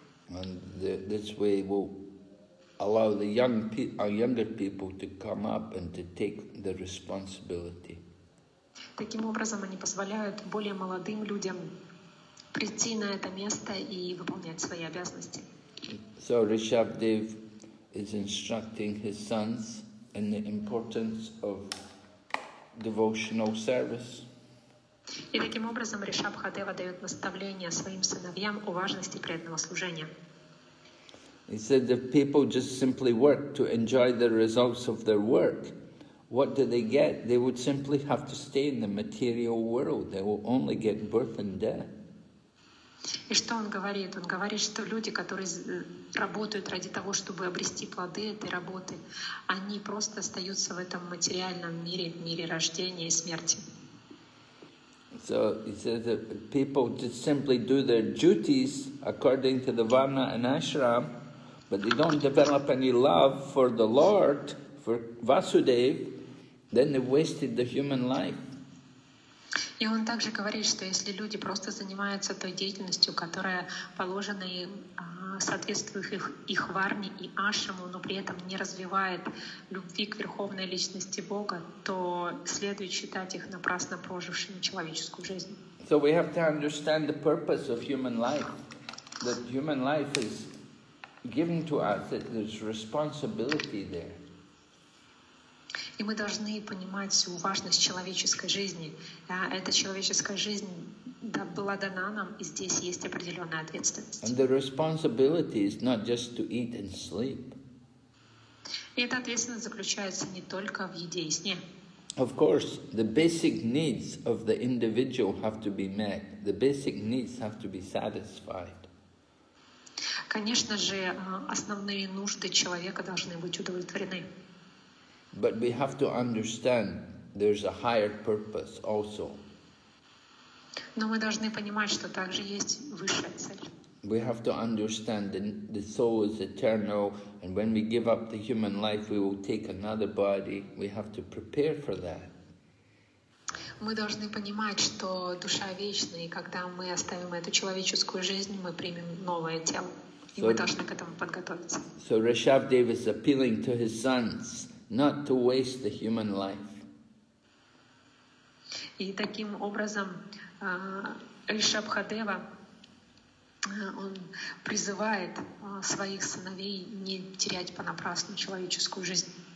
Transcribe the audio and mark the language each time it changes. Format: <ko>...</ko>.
<en>And this way will allow the young younger people to come up and to take the responsibility.</en> <ru>Таким образом, они позволяют более молодым людям прийти на это место и выполнять свои обязанности.</ru> <en>So Rishabdev is instructing his sons in the importance of devotional service.</en> <ru>И таким образом Ришабхадева дает наставление своим сыновьям о важности преданного служения.</ru> <en>He said if people just simply work to enjoy the results of their work, what do they get? They would simply have to stay in the material world. They will only get birth and death.</en> <ru>И что он говорит? Он говорит, что люди, которые работают ради того, чтобы обрести плоды этой работы, они просто остаются в этом материальном мире, в мире рождения и смерти.</ru> <en>So he says that people just simply do their duties according to the varna and ashram, but they don't develop any love for the Lord, for Vasudev, then they've wasted the human life.</en> <ru>И он также говорит, что если люди просто занимаются той деятельностью, которая положена им, соответствует их варне и ашраму, но при этом не развивает любви к Верховной Личности Бога, то следует считать их напрасно прожившими человеческую жизнь.</ru> <en>So we have to understand the purpose of human life, that human life is given to us, that there's responsibility there.</en> <ru>И мы должны понимать всю важность человеческой жизни. Эта человеческая жизнь была дана нам, и здесь есть определенная ответственность.</ru> <en>And the responsibility is not just to eat and sleep.</en> <ru>И эта ответственность заключается не только в еде и сне.</ru> <en>Of course, the basic needs of the individual have to be met. The basic needs have to be satisfied.</en> <ru>Конечно же, основные нужды человека должны быть удовлетворены.</ru> <en>But we have to understand there's a higher purpose also.</en> <ru>Но мы должны понимать, что также есть высшая цель.</ru> <en>We have to understand that the soul is eternal, and when we give up the human life, we will take another body. We have to prepare for that.</en> <ru>Мы должны понимать, что душа вечна, и когда мы оставим эту человеческую жизнь, мы примем новое тело, и мы должны к этому подготовиться.</ru> <en>So Rishabdev is appealing to his sons not to waste the human life.</en> <ru>И таким образом Ришабхадева он призывает своих сыновей не терять понапрасну человеческую жизнь.</ru>